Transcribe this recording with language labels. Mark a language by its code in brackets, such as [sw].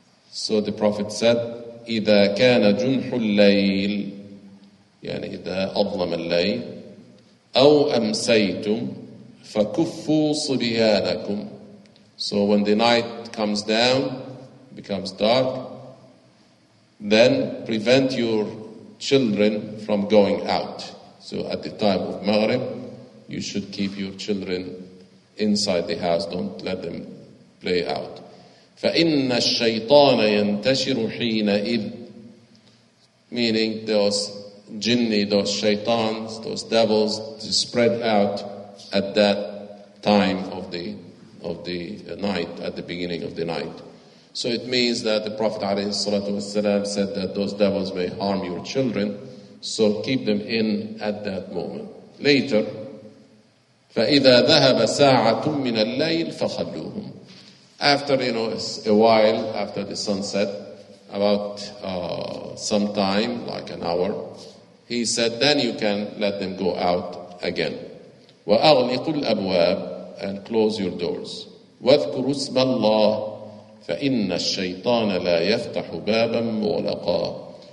[en] So the Prophet said, [ar] إِذَا كَانَ جُنْحُ اللَّيْلِ يعني إِذَا أَظْلَمَ اللَّيْلِ أَوْ أَمْسَيْتُمْ فَكُفُّوا صُبِيَانَكُمْ. [en] So when the night comes down, becomes dark, then prevent your children from going out. So at the time of Maghrib, you should keep your children inside the house, don't let them play out. [ar] فَإِنَّ الشَّيْطَانَ يَنْتَشِرُ حِينَئِذٍ, [en] meaning those jinni, those shaitans, those devils, to spread out at that time of the night, at the beginning of the night. So it means that the Prophet ﷺ said that those devils may harm your children, so keep them in at that moment. [ar] Later, فَإِذَا ذَهَبَ سَاعَةٌ مِّنَ اللَّيْلِ فَخَلُّوهُمْ. [en] After, you know, a while, after the sunset, about some time, like an hour, he said, then you can let them go out again. [ar] وَأَغْلِقُ الْأَبْوَابِ, [en] and close your doors. [ar] وَاذْكُرُوا اسْمَ اللَّهِ فَإِنَّ الشَّيْطَانَ لَا يَفْتَحُ بَابًا مُغْلَقًا.